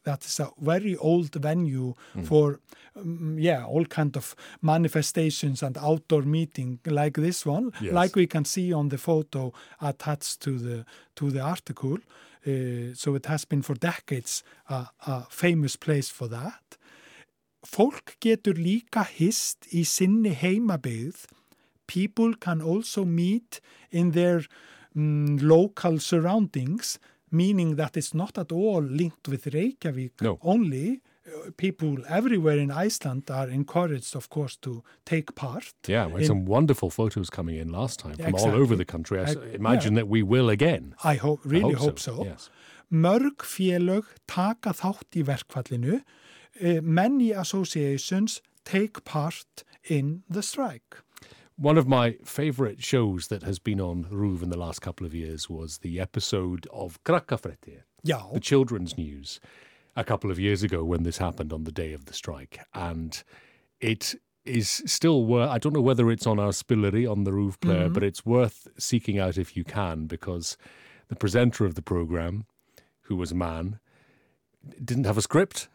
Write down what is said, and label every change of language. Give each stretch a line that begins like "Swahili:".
English: That is a very old venue for all kind of manifestations and outdoor meeting like this one, like we can see on the photo attached to the article. So it has been for decades a famous place for that.
Icelandic: Fólk getur líka hist í sinni heimabyggð.
English: People can also meet in their local surroundings, meaning that it's not at all linked with Reykjavik only. People everywhere in Iceland are encouraged, of course, to take part. Yeah, we had some wonderful photos coming in last time from all over the country. I imagine that we will again. I hope so. Yes.
Icelandic: Mörg félög taka þátt í verkfallinu.
English: Many associations take part in the strike. One of my favourite shows that has been on RÚV in the last couple of years was the episode of Krakkafréttir, the children's news, a couple of years ago when this happened on the day of the strike. And it is still worth, I don't know whether it's on our spillery on the RÚV player, but it's worth seeking out if you can, because the presenter of the programme, who was a man, didn't have a script.